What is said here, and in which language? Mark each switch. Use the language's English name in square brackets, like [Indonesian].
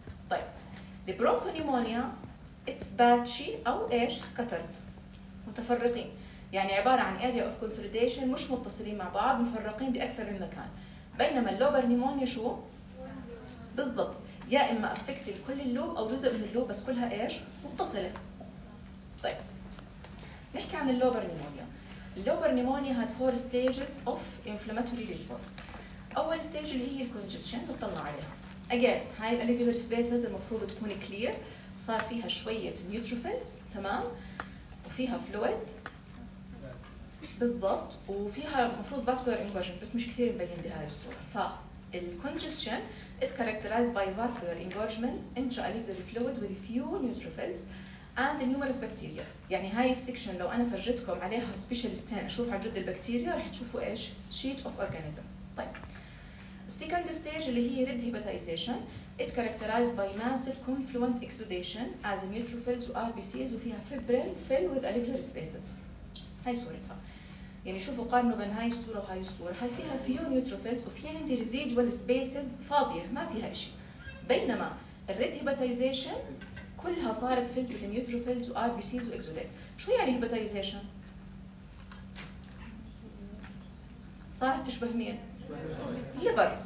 [Arabic] طيب البرونكونيمونيا [English] it's patchy [Arabic] او ايش scattered متفرقين, يعني عبارة عن [English] area of consolidation [Arabic] مش متصلين مع بعض, مفرقين بأكثر من مكان. بينما اللوبر نيمونيا شو؟ بالضبط, يا إما أفكت كل اللوب أو جزء من اللوب بس كلها إيش؟ متصلة. طيب نحكي عن اللوبر نيمونيا. [English] اللوبر pneumonia had four stages of inflammatory response. [Arabic] أول stage اللي هي الكونجستشن تطلع عليها. Again هاي الالفيولار سبيسز المفروض تكون clear, صار فيها شوية neutrophils. تمام, وفيها fluid بالضبط, وفيها المفروض vascular engorgement بس مش كثير مبين بهاي الصورة. [English] فا الكونجستشن it's characterized by vascular engorgement, intraalveolar fluid with few neutrophils and numerous bacteria. [Arabic] يعني هاي السكشن لو أنا فرجتكم عليها specialist هنا أشوف على جد البكتيريا رح تشوفوا إيش [English] sheet of organism. طيب second stage [Arabic] اللي هي [English] red hepatization it's characterized by massive confluent exudation as neutrophils and RBCs وفيها fibrin fill with alveolar spaces. [Arabic] هاي صورتها, يعني شوفوا قارنوا بين هاي الصورة وهاي الصورة, هاي فيها فيو نيوتروفيلز وفي عندي ريزيجوال سبيسز فاضية ما فيها شيء, بينما الريد هيباتايزيشن كلها صارت فيلد وذ نيوتروفيلز وار بي سيز واكزودات. شو يعني هيباتايزيشن؟ صارت تشبه مين؟ ليفر.